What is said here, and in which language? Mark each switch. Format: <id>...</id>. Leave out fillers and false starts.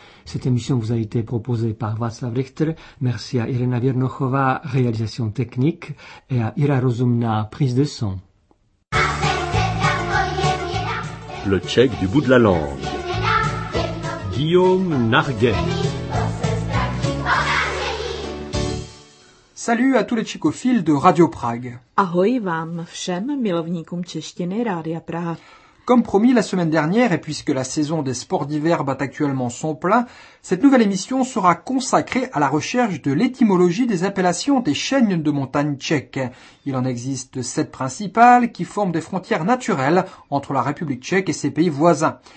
<fr>Cette émission vous a été proposée par Václav Richter. Merci à Irena Viernochova, réalisation technique, et à Ira Rozumna, prise de son. Le tchèque du bout de la langue. Guillaume Narguet. Salut à tous les tchécophiles de Radio Prague.</fr> <cs>Ahoj vám všem milovníkům češtiny Rádia Praha.</cs> <fr>Comme promis la semaine dernière et puisque la saison des sports d'hiver bat actuellement son plein, cette nouvelle émission sera consacrée à la recherche de l'étymologie des appellations des chaînes de montagnes tchèques. Il en existe sept principales qui forment des frontières naturelles entre la République tchèque et ses pays voisins.</fr>